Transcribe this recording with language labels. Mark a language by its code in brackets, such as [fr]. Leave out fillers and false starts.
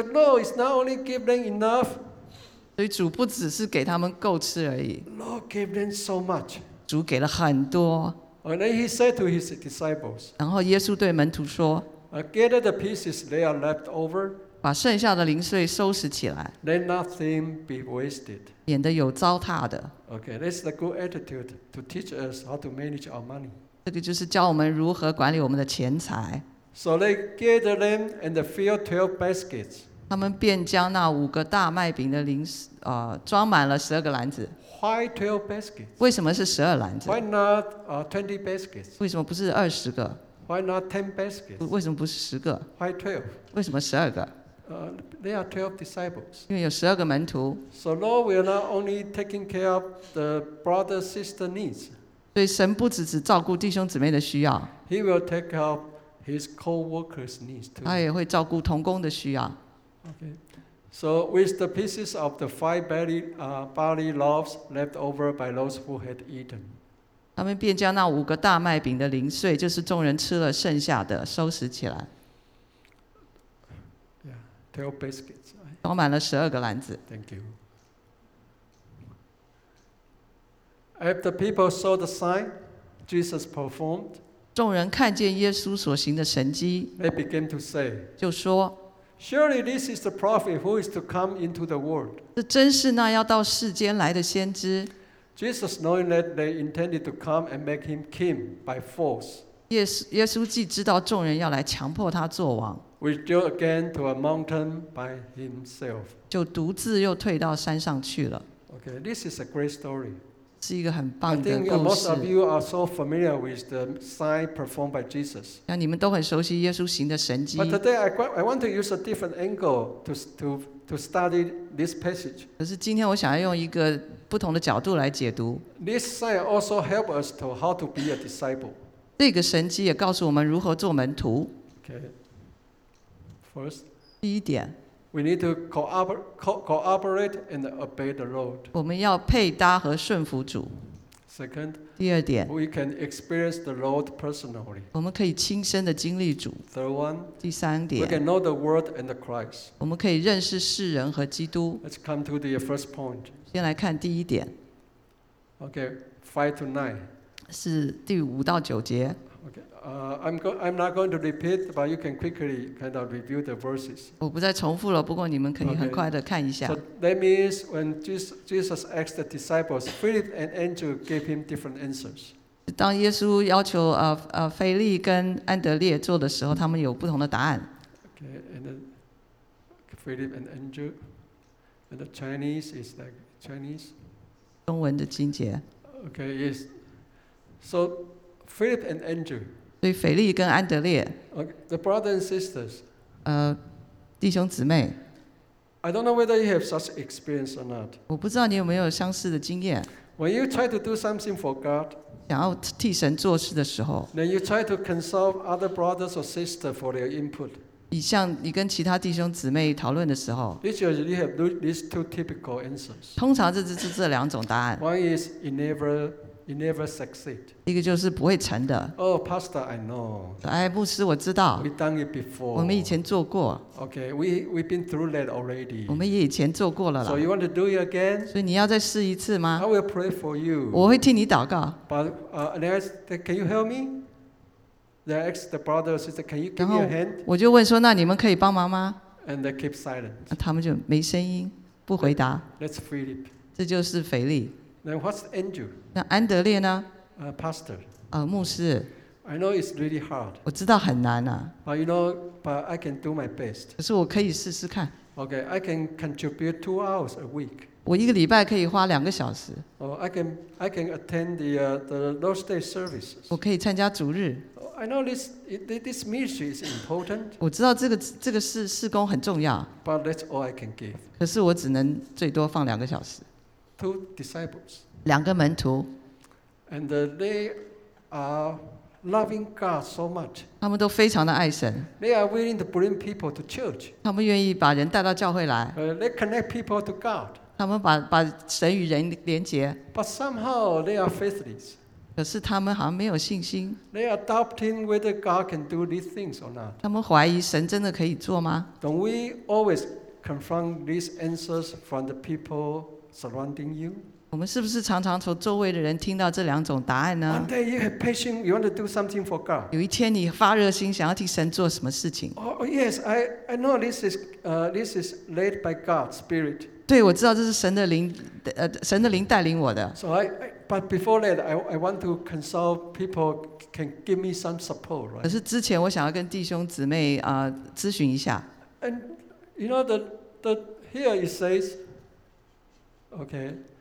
[en] So Lord is not only giving them enough. [zh] 所以主不只是给他们够吃而已。 [en] Lord gave them so much. [zh] 主给了很多。 [en] And then he said to his disciples. [zh] 然后耶稣对门徒说。 [en] Gather the pieces they are left over. [zh] 把剩下的零碎收拾起来。 [en] Let nothing be wasted. [zh] 免得有糟蹋的。 [en] Okay, that's the good attitude to teach us how to manage our money. [zh] 这个就是教我们如何管理我们的钱财。 [en] So they gathered them and filled 12 baskets. [zh] 他们便将那五个大麦饼的装满了12个篮子。 [en] Why 12 baskets? [zh] 为什么是十二篮子？ [en] Why not 20 baskets? [zh] 为什么不是二十个？ [en] Why not 10 baskets? [zh] 为什么不是十个？ [en] Why 12? [zh] 为什么十二个？ [en] There are 12 disciples. [zh] 因为有十二个门徒。 [en] So Lord, we are not only taking care of the brother sister needs. [zh] 所以神不只是照顾弟兄姊妹的需要。 [en] He will take care of his co-workers needs too. [zh] 他也会照顾同工的需要。 [en] Okay. So with the pieces of the five barley loaves left over by those who had eaten, [zh] 他们便将那五个大麦饼的零碎，就是众人吃了剩下的，收拾起来。 [en] Yeah, 12 baskets. [zh] 装满了十二个篮子。 [en] Thank you. If the people saw the sign Jesus performed, [zh] 众人看见耶稣所行的神迹 [en] ，they began to say, [zh] 就说。 [en] Surely this is the prophet who is to come into the world. [zh] 这真是那要到世间来的先知。 [en] Jesus, knowing that they intended to come and make him king by force, [zh] 耶稣既知道众人要来强迫他作王 [en] withdrew again to a mountain by himself. [zh] 就独自又退到山上去了。 [en] Okay, this is a great story. [zh] 是一个很棒的故事。 [en] I think most of you are so familiar with the sign performed by Jesus. [zh] 你们都很熟悉耶稣行的神迹。 [en] But today I want to use a different angle to study this passage. [zh] 可是今天我想要用一个不同的角度来解读。 [en] This sign also helps us to how to be a disciple. [zh] 这个神迹也告诉我们如何做门徒。 [en] Okay. First. [zh] 第一点。 [en] We need to cooperate and obey the Lord. [zh] 我们要配搭和顺服主。 [en] Second, [zh] 第二点， [en] we can experience the Lord personally. [zh] 我们可以亲身的经历主。 [en] Third one, [zh] 第三点， [en] we can know the world and the Christ. [zh] 我们可以认识世人和基督。 [en] Let's come to the first point. [zh] 先来看第一点。 [en] Okay, 5-9. [zh] 是第五到九节。 [en] I'm not going to repeat, but you can quickly kind of review the verses. [zh] 我不再重复了，不过你们可以很快的看一下。 [en] Okay. So that means when Jesus asked the disciples, Philip and Andrew gave him different answers. [zh] 当耶稣要求腓力跟安德烈做的时候，他们有不同的答案。 [en] Okay, and then Philip and Andrew, and the Chinese is like Chinese. [zh] 中文的经节。 [en] Okay, yes. So Philip and Andrew. [zh] 对腓力跟安德烈 [en] ，The brothers and sisters， [zh] 弟兄姊妹 [en] ，I don't know whether you have such experience or not。 [zh] 我不知道你有没有相似的经验。 [en] When you try to do something for God， [zh] 想要替神做事的时候 [en] ，Then you try to consult other brothers or sisters for their input。 [zh] 你像你跟其他弟兄姊妹讨论的时候 [en] ，Usually you have these two typical answers。 [zh] 通常这是这两种答案。 [en] One is you never。 You never succeed. [zh] 一个就是不会成的。 [en] Oh, Pastor, I know. [zh] 哎，牧师，我知道。 [en] We've done it before. [zh] 我们以前做过。 [en] Okay, we've been through that already. [zh] 我们也以前做过了啦。 [en] So you want to do it again? [zh] 所以你要再试一次吗 [en] ？I will pray for you. [zh] 我会替你祷告。 [en] But can you help me? They ask the brother, sister, can you give me a hand? [zh] 我就问说，那你们可以帮忙吗 [en] ？And they keep silent. [zh] 那他们就没声音，不回答。 [en] That's Philip. [zh] 这就是腓力。 [en] Then what's Andrew? [zh] 那安德烈呢 [en] ？Pastor， [zh] 牧师。 [en] I know it's really hard. [zh] 我知道很难啊。 [en] But you know, but I can do my best. [zh] 可是我可以试试看。 [en] Okay, I can contribute 2 hours a week. [zh] 我一个礼拜可以花两个小时。 [en] Oh, I can attend the Lord's Day services. [zh] 我可以参加主日。 [en] I know this ministry is important. [zh] 我知道这个事工很重要。 [en] But that's all I can give. [zh] 可是我只能最多放两个小时。 [en] Two disciples. [zh] 两个门徒。 [en] And they are loving God so much. [zh] 他们都非常的爱神。 [en] They are willing to bring people to church. [zh] 他们愿意把人带到教会来。 [en] They connect people to God. [zh] 他们把神与人连结。 [en] But somehow they are faithless. [zh] 可是他们好像没有信心。 [en] They are doubting whether God can do these things or not. [zh] 他们怀疑神真的可以做吗？ [en] Don't we always confront these answers from the people? Surrounding you, [zh] 我们是不是常常从周围的人听到这两种答案呢 [en] ？One day you have passion, you want to do something for God. [zh] 有一天你发热心，想要替神做什么事情 [en] ？Oh yes, I know this is led by God's spirit. [zh] 对，我知道这是神的灵，神的灵带领我的。 [en] So but before that, I want to consult people can give me some support.、Right? [zh] 可是之前我想要跟弟兄姊妹咨询一下。 [en] And you know the here it says. Okay,